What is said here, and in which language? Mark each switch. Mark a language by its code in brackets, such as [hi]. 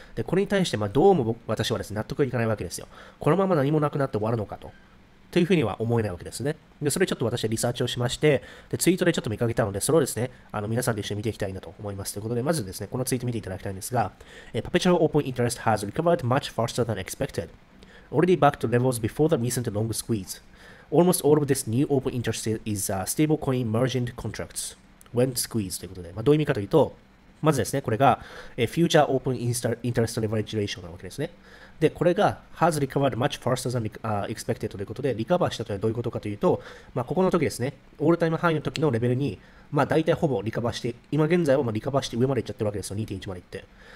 [ja] で、これに対して、どうも私はですね、納得いかないわけですよ。このまま何もなくなって終わるのかと。というふうには思えないわけですね。で、それちょっと私はリサーチをしまして、で、ツイートでちょっと見かけたので、それをですね、皆さんで一緒に見ていきたいなと思います。ということで、まずですね、このツイート見ていただきたいんですが、 [en] Perpetual Open Interest has recovered much faster than expected. Already back to levels before the recent long squeeze. Almost all of this new open interest is stablecoin merged contracts when squeezed. [ja] ということで、どういう意味かというと、まずですね、これが、Future Open Interest Leverage Ratio なわけですね。で、これが [en] has recovered much faster than expected [ja] ということで、リカバーしたというのはどういうことかというと、ここの時ですね、オールタイムハイの時のレベルに、大体ほぼリカバーして、今現在はリカバーして上まで行っちゃってるわけですよ、2.1 まで行って。